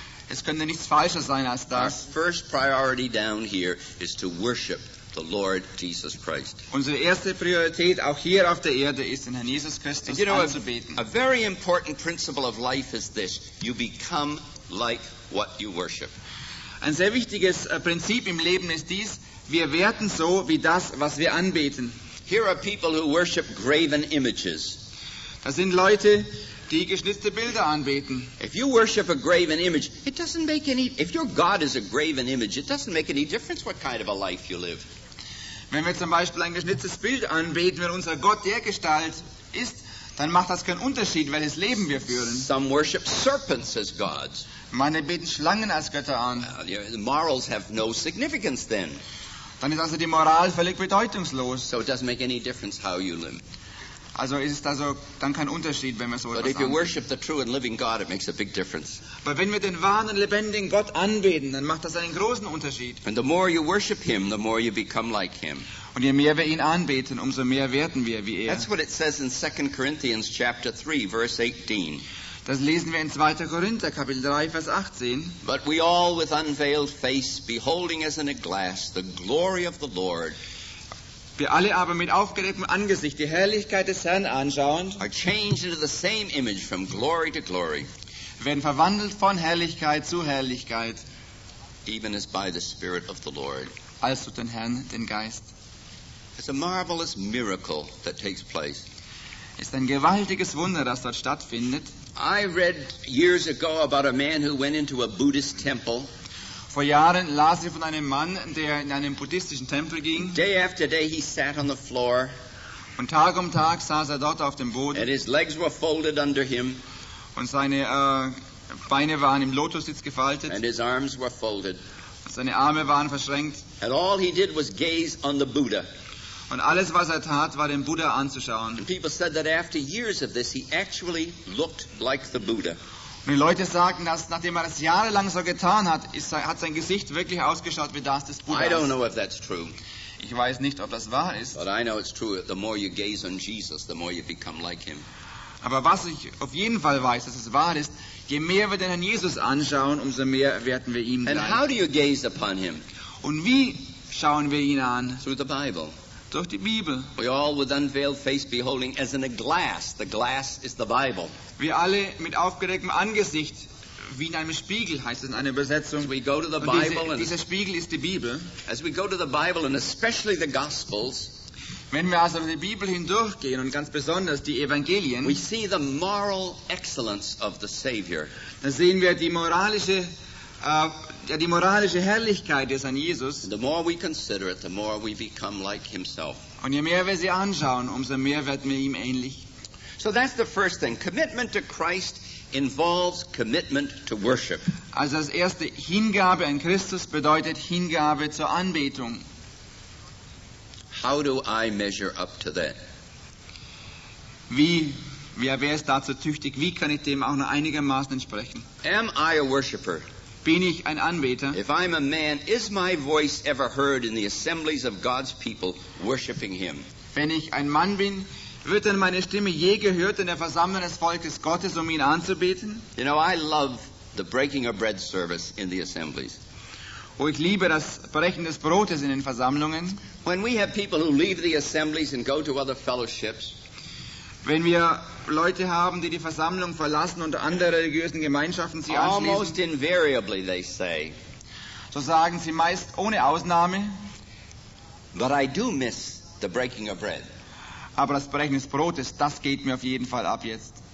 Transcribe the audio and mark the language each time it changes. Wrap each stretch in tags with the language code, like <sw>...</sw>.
<de>Es könnte nichts falscher sein als das.</de> <en>Our first priority down here is to worship the Lord Jesus Christ.</en> <de>Unsere erste Priorität auch hier auf der Erde ist, den Herrn Jesus Christus anzubeten.</de> <en>A very important principle of life is this: you become like what you worship.</en> <de>Ein sehr wichtiges Prinzip im Leben ist dies: wir werden so wie das, was wir anbeten.</de> <en>Here are people who worship graven images.</en> <de>Das sind Leute, die geschnitzte Bilder anbeten.</de> <en>If you worship a graven image, it doesn't make any. If your God is a graven image, it doesn't make any difference what kind of a life you live.</en> <de>Wenn wir zum Beispiel ein geschnitztes Bild anbeten, wenn unser Gott dergestalt ist, dann macht das keinen Unterschied, welches Leben wir führen.</de> <en>Some worship serpents as gods.</en> <de>Manche beten Schlangen als Götter an.</de> <en>The morals have no significance then.</en> <de>Dann ist also die Moral völlig bedeutungslos.</de> <en>So it doesn't make any difference how you live.</en> <de>Also ist also dann kein Unterschied, wenn wir so etwas.</de> <en>But if you worship the true and living God, it makes a big difference.</en> <de>Aber wenn wir den wahren und lebendigen Gott anbeten, dann macht das einen großen Unterschied.</de> <en>And the more you worship him, the more you become like him.</en> <de>Und je mehr wir ihn anbeten, umso mehr werden wir wie er.</de> <en>That's what it says in 2 Corinthians chapter 3 verse 18.</en> <de>Das lesen wir in 2. Korinther, Kapitel 3, Vers 18.</de> <en>But we all with unveiled face, beholding as in a glass the glory of the Lord.</en> <de>Wir alle aber mit aufgerecktem Angesicht die Herrlichkeit des Herrn anschauend,</de> <en>are changed into the same image from glory to glory.</en> <de>Werden verwandelt von Herrlichkeit zu Herrlichkeit.</de> <en>Even as by the Spirit of the Lord.</en> <de>Als durch den Herrn, den Geist.</de> <en>It's a marvelous miracle that takes place.</en> <de>Ist ein gewaltiges Wunder, das dort stattfindet.</de> <en>I read years ago about a man who went into a Buddhist temple.</en> <de>Vor Jahren las ich von einem Mann, der in einen buddhistischen Tempel ging.</de> <en>Day after day he sat on the floor.</en> <de>Und Tag um Tag saß er dort auf dem Boden.</de> <en>And his legs were folded under him.</en> <de>Und seine Beine waren im Lotussitz gefaltet.</de> <en>And his arms were folded.</en> <de>Und seine Arme waren verschränkt.</de> <en>And all he did was gaze on the Buddha.</en> <de>Und alles, was er tat, war den Buddha anzuschauen.</de> <en>And people said that after years of this, he actually looked like the Buddha.</en> <de>Und die Leute sagten, dass nachdem er das jahrelang so getan hat, hat sein Gesicht wirklich ausgeschaut wie das des Buddhas.</de> <en>I don't know if that's true.</en> <de>Ich weiß nicht, ob das wahr ist.</de> <en>But I know it's true. The more you gaze on Jesus, the more you become like him.</en> <de>Aber was ich auf jeden Fall weiß, dass es wahr ist: je mehr wir den Herrn Jesus anschauen, umso mehr werden wir ihm gleich.</de> <en>And how do you gaze upon him?</en> <de>Und wie schauen wir ihn an?</de> <en>Through the Bible.</en> <de>Durch die Bibel.</de> <en>We all with unveiled face beholding as in a glass. The glass is the Bible.</en> <de>Wir alle mit aufgedecktem Angesicht, wie in einem Spiegel, heißt es in einer Übersetzung.</de> <en>As we go to the</en> <de>Und</de> <en>Bible.</en> <de>Dieser Spiegel ist die Bibel.</de> <en>As we go to the Bible and especially the Gospels.</en> <de>Wenn wir also die Bibel hindurchgehen und ganz besonders die Evangelien.</de> <en>We see the moral excellence of the Savior.</en> <de>Dann sehen wir die moralische die moralische Herrlichkeit des Herrn Jesus.</de> <en>The more we consider it, the more we become like himself.</en> <de>Und je mehr wir sie anschauen, umso mehr werden wir ihm ähnlich.</de> <en>So that's the first thing. Commitment to Christ involves commitment to worship.</en> <de>Also das erste, Hingabe an Christus bedeutet Hingabe zur Anbetung.</de> <en>How do I measure up to that?</en> <de>Wie wäre es dazu tüchtig? Wie kann ich dem auch noch einigermaßen entsprechen?</de> <en>Am I a worshipper?</en> <de>Bin ich ein Anbeter?</de> <en>If I'm a man, is my voice ever heard in the assemblies of God's people worshiping him?</en> <de>Wenn ich ein Mann bin, wird denn meine Stimme je gehört in der Versammlung des Volkes Gottes, um ihn anzubeten?</de> <en>You know, I love the breaking of bread service in the assemblies.</en> <de>wo ich liebe das Brechen des Brotes in den Versammlungen.</de> <en>When we have people who leave the assemblies and go to other fellowships,</en> <de>wenn wir Leute haben, die die Versammlung verlassen und andere religiösen Gemeinschaften sie anschließen,</de> <en>almost invariably they say,</en> <de>so sagen sie meist ohne Ausnahme,</de> <en>but I do miss the breaking of bread.</en> <de>Aber das Brechen des Brotes, das geht mir auf jeden Fall ab jetzt.</de>